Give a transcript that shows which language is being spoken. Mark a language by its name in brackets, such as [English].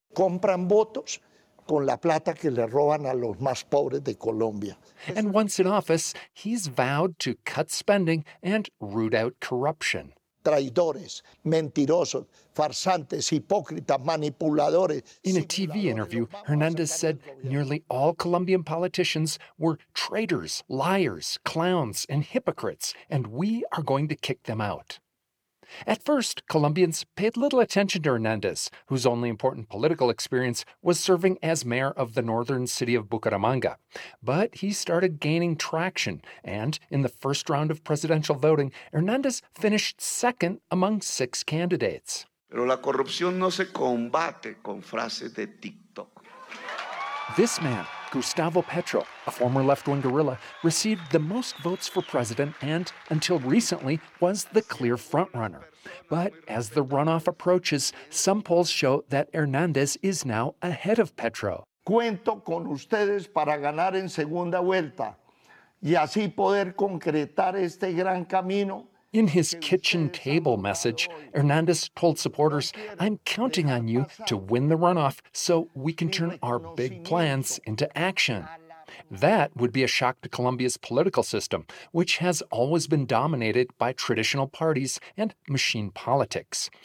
[Spanish] Compran votos con la plata que le roban a los más pobres de Colombia. [English] And once in office, he's vowed to cut spending and root out corruption. [Spanish] Traidores, mentirosos, farsantes, hipócritas, manipuladores. [English] In a TV interview, Hernandez said nearly all Colombian politicians were traitors, liars, clowns, and hypocrites, and we are going to kick them out. At first, Colombians paid little attention to Hernandez, whose only important political experience was serving as mayor of the northern city of Bucaramanga. But he started gaining traction, and in the first round of presidential voting, Hernandez finished second among six candidates. [Spanish] Pero la corrupción no se combate con frases de TikTok. [English] This man, Gustavo Petro, a former left-wing guerrilla, received the most votes for president and, until recently, was the clear front-runner. But as the runoff approaches, some polls show that Hernandez is now ahead of Petro. [Spanish] Cuento con ustedes para ganar en segunda vuelta y así poder concretar este gran camino. [English] In his kitchen table message, Hernandez told supporters, "I'm counting on you to win the runoff so we can turn our big plans into action." That would be a shock to Colombia's political system, which has always been dominated by traditional parties and machine politics.